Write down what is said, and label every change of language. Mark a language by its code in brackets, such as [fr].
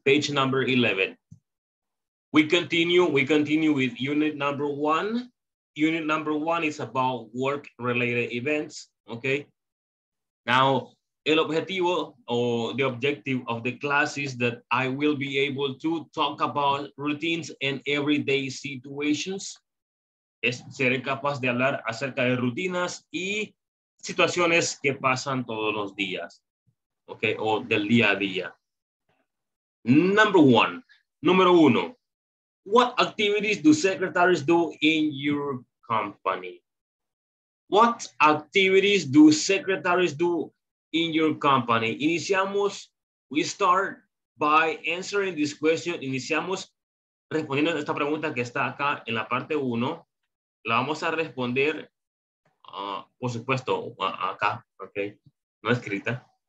[en] Page number 11. We continue with unit number one. Unit number one is about work-related events. Okay, now [es] el objetivo [en] or the objective of the class is that I will be able to talk about routines and everyday situations. [es] Es ser capaz de hablar acerca de rutinas y situaciones que pasan todos los días. [en] okay, [es] o del día a día. [en] Number one, [es] número uno, [en] what activities do secretaries do in your company? What activities do secretaries do in your company? [es] Iniciamos, [en] we start by answering this question. [es] Iniciamos respondiendo esta pregunta que está acá en la parte uno. La vamos a responder, por supuesto, acá, okay, no escrita.